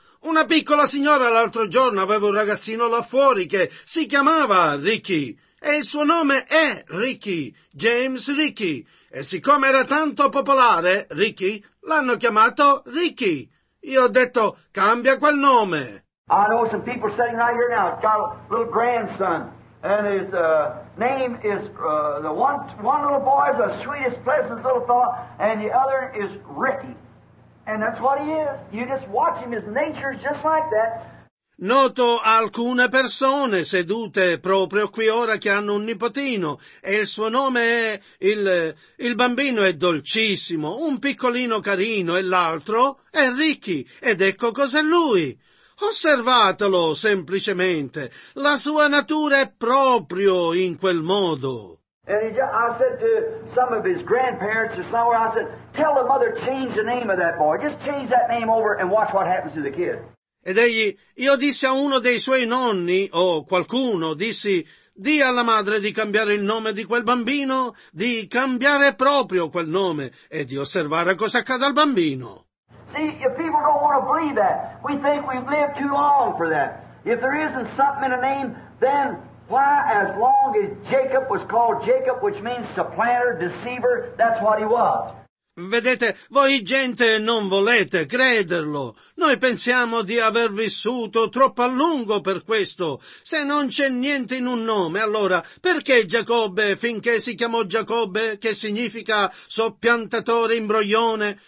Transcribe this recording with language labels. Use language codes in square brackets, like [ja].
[it] Una piccola signora l'altro giorno aveva un ragazzino là fuori che si chiamava Ricky, e il suo nome è Ricky, James Ricky, e siccome era tanto popolare, Ricky, l'hanno chiamato Ricky. Io ho detto, cambia quel nome. [en] I know some people sitting right here now. It's got a little grandson, and his name is the one little boy is the sweetest, pleasantest little fellow, and the other is Ricky, and that's what he is. You just watch him; his nature is just like that. [it] Noto alcune persone sedute proprio qui ora che hanno un nipotino, e il suo nome è il bambino è dolcissimo, un piccolino carino, e l'altro è Ricky, ed ecco cos'è lui. Osservatelo semplicemente, la sua natura è proprio in quel modo. [en] And I said to some of his grandparents or somewhere, I said, tell the mother change the name of that boy, just change that name over and watch what happens to the kid. [it] Ed egli, io dissi a uno dei suoi nonni, o qualcuno, dissi, di alla madre di cambiare il nome di quel bambino, di cambiare proprio quel nome, e di osservare cosa accade al bambino. [en] See, if people don't want to believe that, we think we've lived too long for that. If there isn't something in a name, then why, as long as Jacob was called Jacob, which means supplanter, deceiver, that's what he was. [it] Vedete, voi gente non volete crederlo. Noi pensiamo di aver vissuto troppo a lungo per questo. Se non c'è niente in un nome, allora perché Giacobbe, finché si chiamò Giacobbe, che significa soppiantatore, imbroglione?